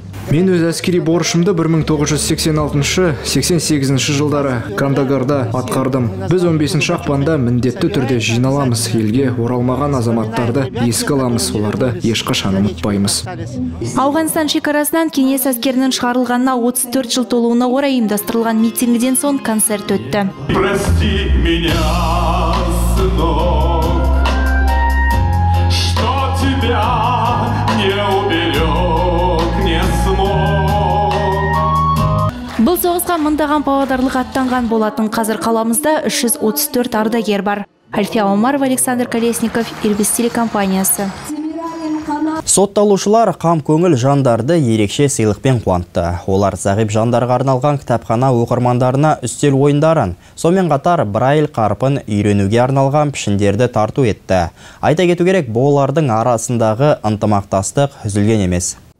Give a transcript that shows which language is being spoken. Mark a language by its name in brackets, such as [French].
[Kazakh] Мен өз әскери борышымды 1986-88 жылдары Кандагарда атқардым. Біз 15 ақпанда міндетті түрде жиналамыз. Елге оралмаған азаматтарды еске аламыз. Оларды ешқашан ұмытпаймыз. Ауғанстан шекарасынан кеңес әскерінің шығарылғанына 34 жыл толуына орай ұйымдастырылған митингіден соң концерт өтті. [Russian] Прости меня, сынок, что тебя не уберет. [Kazakh] Бұл соғысқа мыңдаған павлодарлық аттанған болатын. Қазір қаламызда 334 ардагер бар. Альфия Омарова, Александр Колесников, Ирбис телекомпаниясы. Сотталушылар қам көңіл жандарды ерекше сыйлықпен қуантты. Олар зағип жандарға арналған кітапхана оқырмандарына үстел ойындарын, сонымен қатар Брайль қарпын үйренуге арналған пішіндерді тарту етті. Айта кету керек, олардың арасындағы ынтымақтастық үзілген емес.